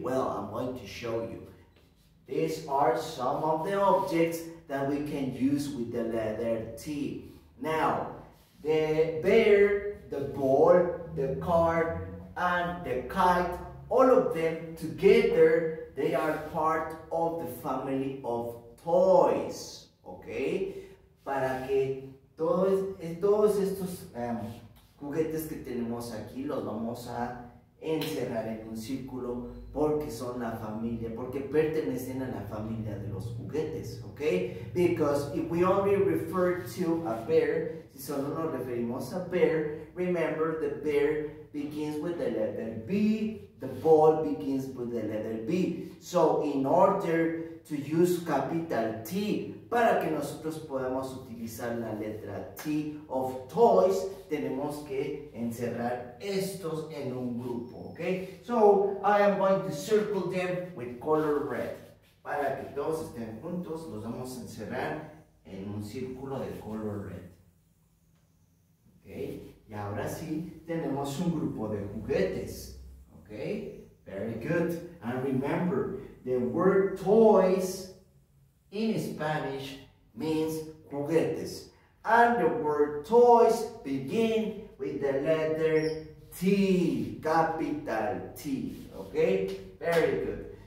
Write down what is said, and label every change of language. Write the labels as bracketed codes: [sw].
[en] Well, I'm going to show you. These are some of the objects that we can use with the letter T. Now, the bear, the ball, the car, and the kite, all of them together, they are part of the family of toys, okay? [es] Para que todos estos juguetes que tenemos aquí los vamos a encerrar en un círculo porque son la familia, porque pertenecen a la familia de los juguetes, okay? [en] Because if we only refer to a bear, [es] si solo nos referimos a [en] bear, remember the bear begins with the letter B, the ball begins with the letter B. So in order to use capital T, [es] para que nosotros podamos utilizar la letra T [en] of toys, [es] tenemos que encerrar estos en un grupo, okay? [en] So, I am going to circle them with color red. [es] Para que todos estén juntos, los vamos a encerrar en un círculo de color red. Okay? Y ahora sí, tenemos un grupo de juguetes. [en] Okay? Very good. And remember, the word toys in Spanish means juguetes. And the word toys begin with the letter T, capital T, okay? Very good.